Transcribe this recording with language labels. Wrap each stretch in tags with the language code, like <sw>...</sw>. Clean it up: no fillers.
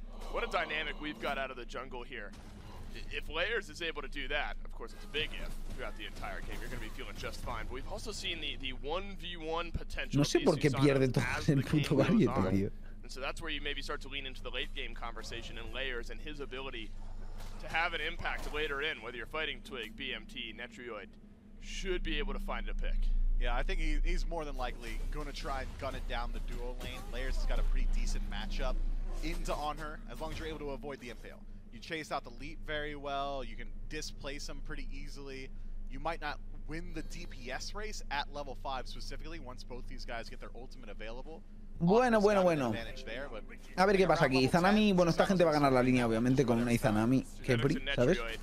<en>What a dynamic we've got out of the jungle here. If Layers is able to do that, of course it's a big if throughout the entire game, you're gonna be feeling just fine. But we've also seen the 1v1 potential.</en> <es>No sé por qué pierde todo el puto galleto, tío.</es> <en>And so that's where you maybe start to lean into the late game conversation and Layers and his ability to have an impact later in, whether you're fighting Twig, BMT, Netrioid, should be able to find a pick. Yeah, I think he's more than likely gonna try and gun it down the duo lane. Layers has got a pretty decent matchup into on her, as long as you're able to avoid the impale. You chase out the leap very well, you can displace him pretty easily. You might not win the DPS race at level 5 specifically once both these guys get their ultimate available.</en> <es>Bueno, bueno, bueno. A ver qué pasa aquí. Izanami, bueno, esta gente va a ganar la línea obviamente con una Izanami, que pri, ¿sabes?</es>